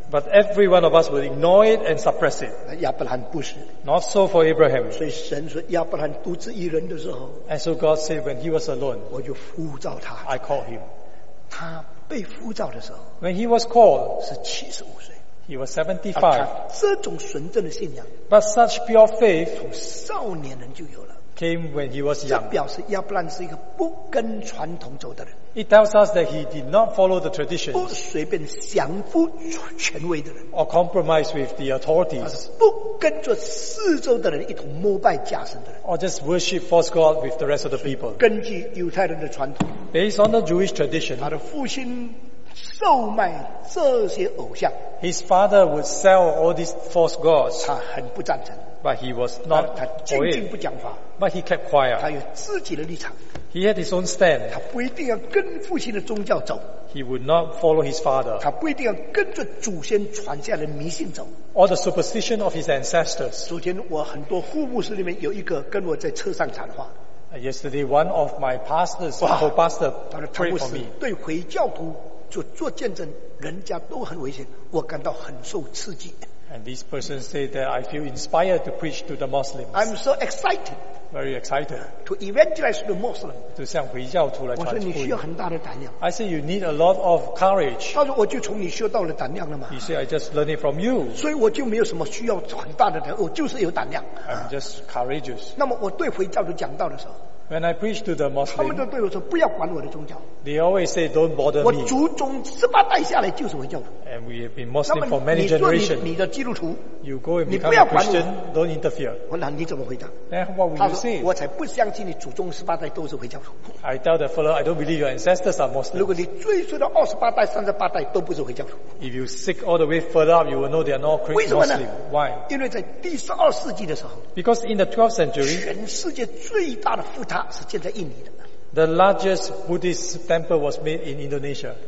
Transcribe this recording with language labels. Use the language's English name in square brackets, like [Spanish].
[English] But every one of us will ignore it and suppress it. [Chinese] 亚伯兰不是。 [English] Not so for Abraham. [Chinese] 所以神说亚伯兰独自一人的时候。 [English] And so God said when he was alone. [Chinese] 我就呼召他。 [English] I called him. [Chinese] 他被呼召的时候。 [English] When he was called. [Chinese] 是75岁。 [English] He was 75. [Chinese] 这种纯正的信仰 [English] But such pure faith [Chinese] 从少年人就有了 [English] came when he was young. [Chinese] 这表示亚伯兰是一个不跟传统走的人 [English] It tells us that he did not follow the traditions. [Chinese] 不随便降服权威的人 [English] or compromise with the authorities. [Chinese] 不跟着四周的人一同膜拜假神的人 [English] or just worship false God with the rest of the people. [Chinese] 根据犹太人的传统 [English] based on the Jewish tradition. [Chinese] 他的父亲售卖这些偶像 [English] His father would sell all these false gods. [Chinese] 他很不赞成 [English] But he was not [Chinese] 他静静不讲话 [English] But he kept quiet. [Chinese] 他有自己的立场 [English] He had his own stand. [Chinese] 他不一定要跟父亲的宗教走 [English] He would not follow his father. [Chinese] 他不一定要跟着祖先传下的迷信走 [English] Or the superstition of his ancestors. [Chinese] 昨天我很多护牧师里面有一个跟我在车上谈话 [English] Yesterday, one of my pastors, co-pastor, prayed for me. [Chinese] 对回教徒做见证，人家都很危险，我感到很受刺激。 [English] And this person said that I feel inspired to preach to the Muslims. I'm so excited. Very excited. To evangelize the Muslims. [Chinese] 就向回教徒来传福音。我说你需要很大的胆量。 [English] I said you need a lot of courage. [Chinese] 他说我就从你学到了胆量了嘛。 [English] He said I just learned it from you. [Chinese] 所以我就没有什么需要很大的胆量，我就是有胆量。 [English] I'm just courageous. [Chinese] 那么我对回教徒讲道的时候。 [English] When I preach to the Muslim, [Chinese] 他们都对我说不要管我的宗教 [English] They always say don't bother me [Chinese] 我祖宗十八代下来就是回教徒 [English] And And we have been Muslim for many generations. [Chinese] 你的基督徒, [English] you go and become a Christian, don't interfere. [Chinese] 我问你怎么回答? [English] Then what will you say? [Chinese] 我才不相信你祖宗十八代都是回教徒。 [English] I tell the fellow, I don't believe your ancestors are Muslim. [Chinese] 如果你追溯到28代、38代都不是回教徒。 [English] If you seek all the way further up, you will know they are not Christian Muslim. Why? [Chinese] 因为在第十二世纪的时候, [English] because in the 12th century, [Chinese] 全世界最大的佛塔是建在印尼的。 [English] The largest Buddhist temple was made in Indonesia.